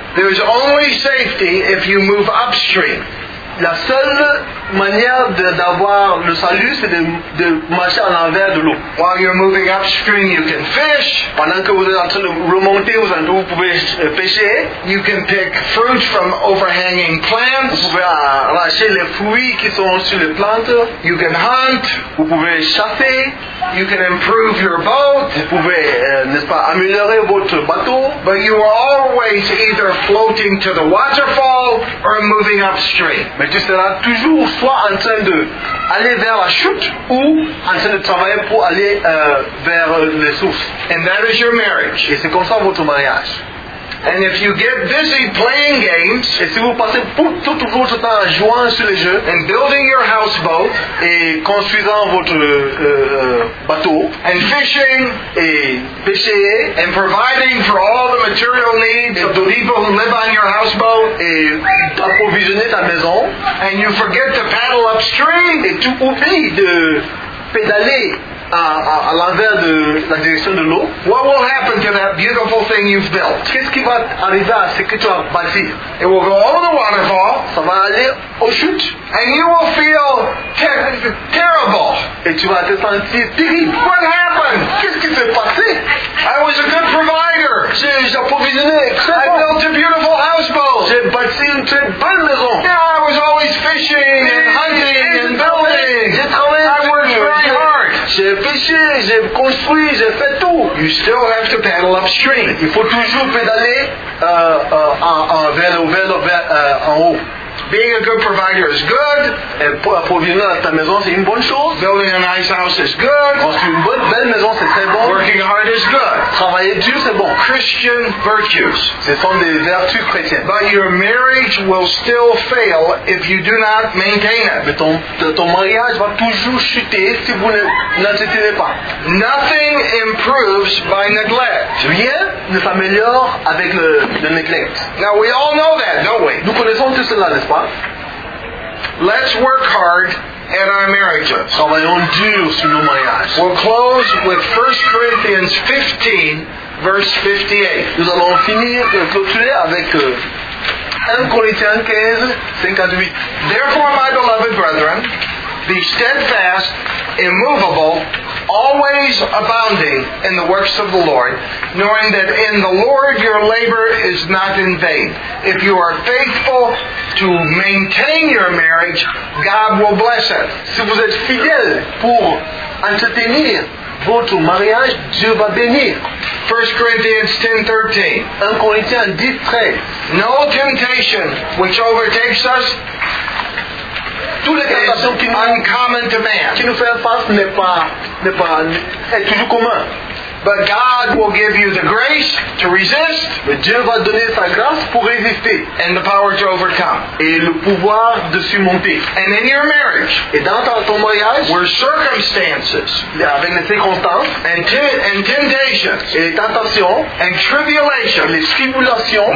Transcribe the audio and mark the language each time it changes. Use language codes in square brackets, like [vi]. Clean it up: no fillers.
[en] There is only safety if you move upstream. [fr] La seule manière d'avoir le salut, c'est de marcher à l'envers de l'eau. [en] While you're moving upstream, you can fish. [fr] Pendant que vous êtes en train de remonter, vous pouvez pêcher. [en] You can pick fruit from overhanging plants. [fr] Vous pouvez arracher les fruits qui sont sur les plantes. [en] You can hunt. [fr] Vous pouvez chasser. [en] You can improve your boat. [fr] Vous pouvez, n'est-ce pas, améliorer votre bateau. [en] But you are always either floating to the waterfall or moving upstream. [fr] Mais tu seras toujours soit en train d'aller vers la chute ou en train de travailler pour aller vers les sources. [en] And that is your marriage. [fr] Et c'est comme ça votre mariage. [en] And if you get busy playing games, [fr] et si vous passez tout votre temps à jouer sur les jeux, [en] and building your houseboat, [fr] et construisant votre bateau, [en] and fishing, [fr] et pêcher, [en] and providing for all the material needs of the people who live on your houseboat, [fr] et approvisionner ta maison, [en] and you forget to paddle upstream, [fr] et tu oublies de pédaler à l'envers de la direction de l'eau. [en] What will happen to that beautiful thing you've built? [fr] Qu'est-ce qui va arriver à ce que tu as bâti? [en] It will go over the waterfall. [fr] Ça va aller au chute. [en] And you will feel terrible. [fr] Et tu vas te sentir terrible. [en] What happened? [fr] Qu'est-ce qui s'est passé? [en] I was a good provider. [fr] J'ai approvisionné. [en] I built a beautiful houseboat. [fr] J'ai bâti une très belle maison. [en] Yeah, I was always fishing and hunting and building. I worked very hard. [fr] J'ai pêché, j'ai construit, j'ai fait tout. [en] You still have to paddle upstream. [fr] Il faut toujours pédaler en haut. [en] Being a good provider is good. [fr] Approvisionner ta maison, c'est une bonne chose. [en] Building a nice house is good. [fr] Construire une bonne belle maison, c'est très bon. [en] Working hard is good. [fr] Travailler dur, c'est bon. [en] Christian virtues. [fr] Ce sont des vertus chrétiennes. [en] But your marriage will still fail if you do not maintain it. [fr] Mais ton mariage va toujours chuter si vous ne l'entretenez pas. [en] Nothing improves by neglect. [fr] Rien ne s'améliore avec le neglect. [en] Now we all know that, don't we? [fr] Nous connaissons tout cela. [en] Let's work hard at our marriages. [fr] Travaillons dur sur nos mariages. [en] We'll close with 1 Corinthians 15, verse 58. [fr] Nous allons finir avec 1 Corinthiens 15, 58. [en] Therefore, my beloved brethren, be steadfast, immovable, always abounding in the works of the Lord, knowing that in the Lord your labor is not in vain. If you are faithful to maintain your marriage, God will bless it. [fr] Si vous êtes fidèle pour entretenir votre mariage, Dieu va bénir. [en] 1 Corinthians 10:13. [fr] 1 Corinthiens 10:13. [en] No temptation which overtakes us [fr] toutes les tentations qui nous font face n'est pas toujours commun. [en] But God will give you the grace to resist. [fr] Mais Dieu va donner sa grâce pour résister. [en] And the power to overcome. [fr] Et le pouvoir de surmonter. [en] And in your marriage. [fr] Et dans ton mariage. [en] Where circumstances. [fr] Avec les circonstances. [en] And temptations. [fr] Et les tentations. [en] And tribulations. [fr] Les tribulations.